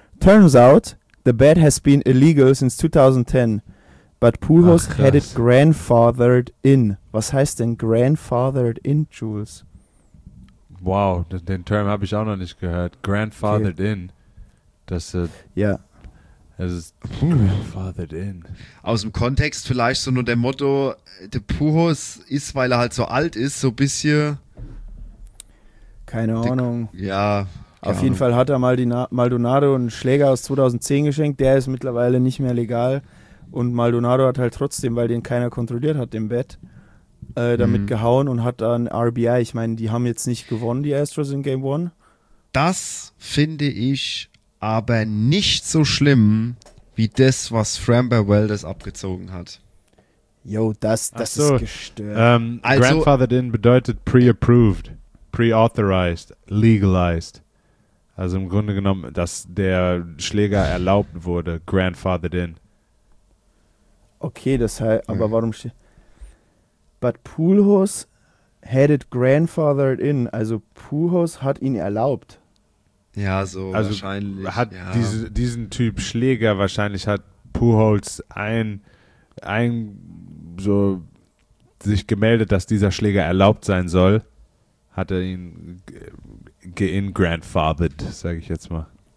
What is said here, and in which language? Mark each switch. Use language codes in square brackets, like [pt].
[en] Turns out, the bat has been illegal since 2010. But Pujols had it grandfathered in. [de] Was heißt denn grandfathered in, Jules? Wow, den Term habe ich auch noch nicht gehört. Grandfathered in. Das ist. Ja. Das ist grandfathered in. Aus dem Kontext vielleicht so nur der Motto: der Pujols ist, weil er halt so alt ist, so ein bisschen. Keine Ahnung. Ja. Auf jeden Fall hat er Maldonado einen Schläger aus 2010 geschenkt. Der ist mittlerweile nicht mehr legal. Und Maldonado hat halt trotzdem, weil den keiner kontrolliert hat, im Bett damit gehauen und hat dann RBI. Ich meine, die haben jetzt nicht gewonnen, die Astros in Game 1. Das finde ich aber nicht so schlimm, wie das, was Framber Valdez abgezogen hat. Yo, das ist gestört. Also, grandfathered in bedeutet [en] pre-approved, pre-authorized, legalized. [de] Also im Grunde genommen, dass der Schläger erlaubt wurde, grandfathered in. Okay, das heißt, aber warum steht. [en] But Pujols had it grandfathered in. [de] Also Pujols hat ihn erlaubt. Ja, so also wahrscheinlich. Hat ja. diesen Typ Schläger, wahrscheinlich hat Pujols ein so sich gemeldet, dass dieser Schläger erlaubt sein soll. Hat er ihn ge-in-grandfathered, sage ich jetzt mal.